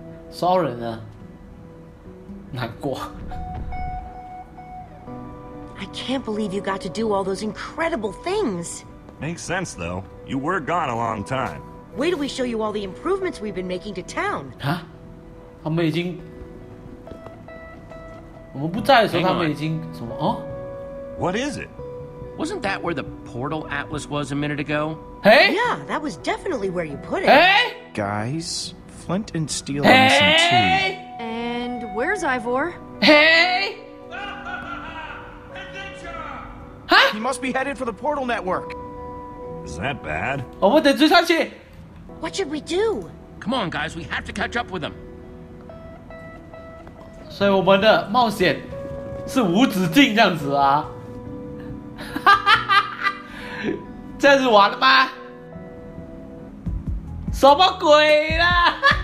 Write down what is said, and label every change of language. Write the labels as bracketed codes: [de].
[zh] Soren呢?难过。 [en] I can't believe you got to do all those incredible things. Makes sense, though. You were gone a long time. Wait till we show you all the improvements we've been making to town. Huh? [zh] 我们不在的时候，他们已经什么？ [en] What is it? Wasn't that where the portal Atlas was a minute ago? Hey? Yeah, that was definitely where you put it. Hey? Guys, Flint and Steel are missing too. Hey? And where's Ivor? Hey? Adventure! Huh? He must be headed for the portal network. Is that bad? [zh] 我们得追上去! [en] What should we do? Come on, guys, we have to catch up with him. [zh] 所以我们的冒险是无止境这样子啊。这样子玩了吗? 什么鬼啦?